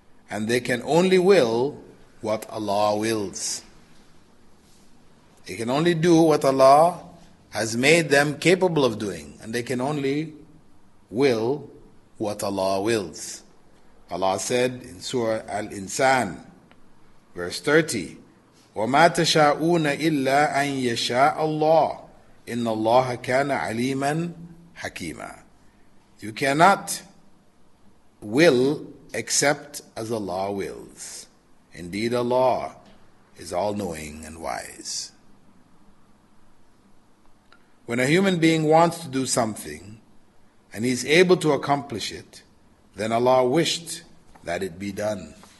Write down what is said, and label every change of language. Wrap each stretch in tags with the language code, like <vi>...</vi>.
<en>And they can only will what Allah wills. They can only do what Allah has made them capable of doing. And they can only will what Allah wills. Allah said in Surah Al-Insan, verse 30,</en> <ar>وَمَا تَشَاءُونَ إِلَّا أَن يَشَاءَ اللَّهُ إِنَّ اللَّهَ كَانَ عَلِيمًا حَكِيمًا.</ar> <en>You cannot will except as Allah wills. Indeed, Allah is all-knowing and wise. When a human being wants to do something and he's able to accomplish it, then Allah wished that it be done.</en>